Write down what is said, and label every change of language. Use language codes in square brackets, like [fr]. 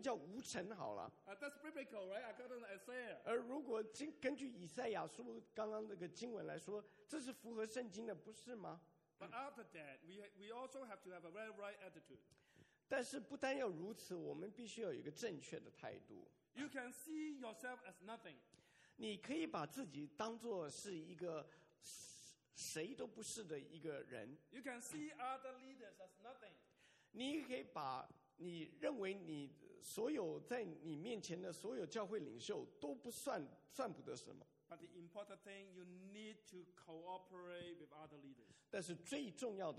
[zh] 所以你必须要改名，你干脆改名叫无尘好了。 [en] That's biblical, right? According to Isaiah. [zh] 而如果根据以赛亚书刚刚那个经文来说，这是符合圣经的，不是吗？ [en] But after that, we also have to have a very right attitude. [zh] 但是不单要如此，我们必须要有一个正确的态度。 [en] You can see yourself as nothing. [zh] 你可以把自己当做是一个。谁都不是的一个人。 [en] You can see other leaders as nothing. [zh] 你可以把你认为你所有在你面前的所有教会领袖都不算不得什么。 [en] But the important thing, you need to cooperate with other leaders.